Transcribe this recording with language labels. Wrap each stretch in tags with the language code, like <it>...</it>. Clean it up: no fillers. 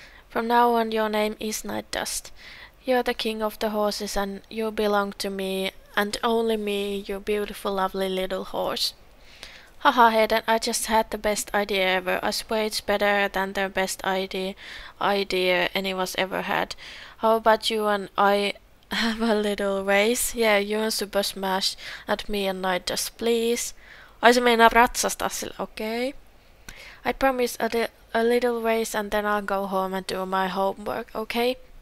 <en>From now on, your name is Night Dust. You're the king of the horses and you belong to me and only me, your beautiful, lovely little horse. Haha, Hayden, I just had the best idea ever. I swear it's better than the best idea any of us ever had. How about you and I have a little race? Yeah, you and Super Smash at me and Night Dust, please.</en> <fi>Ai, se meinaa ratsastaa sille, okei.</fi> <en>Okay. I promise a little race and then I'll go home and do my homework, okay?</en>